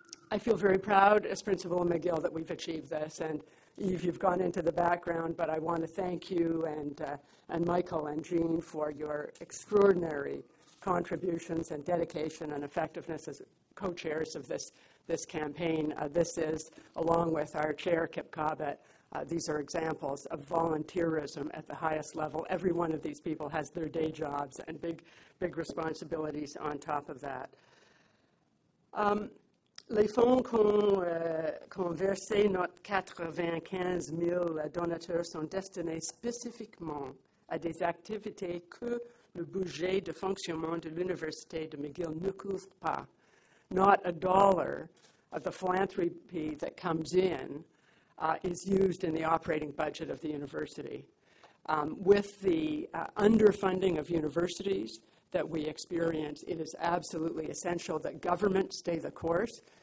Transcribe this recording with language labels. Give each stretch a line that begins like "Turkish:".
English: I feel very proud as Principal McGill that we've achieved this, and Eve, you've gone into the background, but I want to thank you and Michael and Jean for your extraordinary contributions and dedication and effectiveness as co-chairs of this campaign. This is, along with our chair, Kip Cobbett, these are examples of volunteerism at the highest level. Every one of these people has their day jobs and big responsibilities on top of that.
French: Les fonds qu'ont versé notre 95 000 donateurs sont destinés spécifiquement à des activités que le budget de fonctionnement de l'Université de McGill ne couvre pas.
English: Not a dollar of the philanthropy that comes in is used in the operating budget of the university. With the underfunding of universities that we experience, it is absolutely essential that government stay the course.